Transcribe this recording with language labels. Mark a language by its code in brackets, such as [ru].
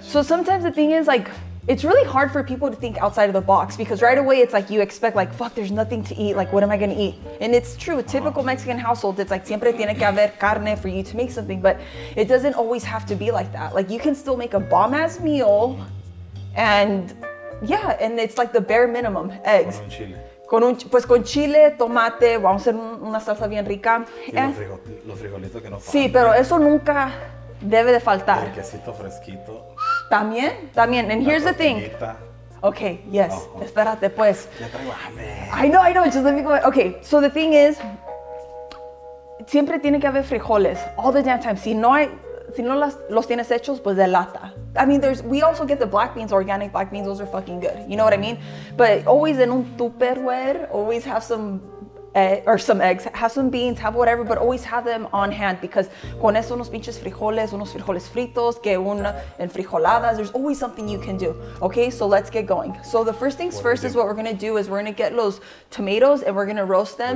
[en] So sometimes the thing is, like, it's really hard for people to think outside of the box, because right away it's like you expect, like, fuck, there's nothing to eat, like, what am I gonna eat? And it's true, typical Mexican household, it's like, [es] siempre tiene que haber carne [en] for you to make something, but it doesn't always have to be like that. Like, you can still make a bomb-ass meal, and yeah, and it's like the bare minimum, eggs. [es] Con chile, tomate, vamos a hacer una salsa bien rica. Los frijolitos que no faltan. Sí, pero eso nunca debe de faltar. El quesito fresquito. También, también. [en] And here's the thing. Okay, yes. Oh, oh. [es] Espérate, pues. [en] I know. Just let me go. Okay, so the thing is, [es] siempre tiene que haber frijoles. [en] All the damn time. [es] Si no los tienes hechos, pues de lata. [en] I mean, we also get the black beans, organic black beans. Those are fucking good. You know what I mean? But always in [es] un tupperware, [en] always have some eggs, have some beans, have whatever, but always have them on hand, because [es] con eso unos pinches frijoles, unos frijoles fritos, que una enfrijoladas, [en] there's always something you can do. Okay, so let's get going. So the first things first is what we're going to do is we're going to get those tomatoes and we're going to roast them.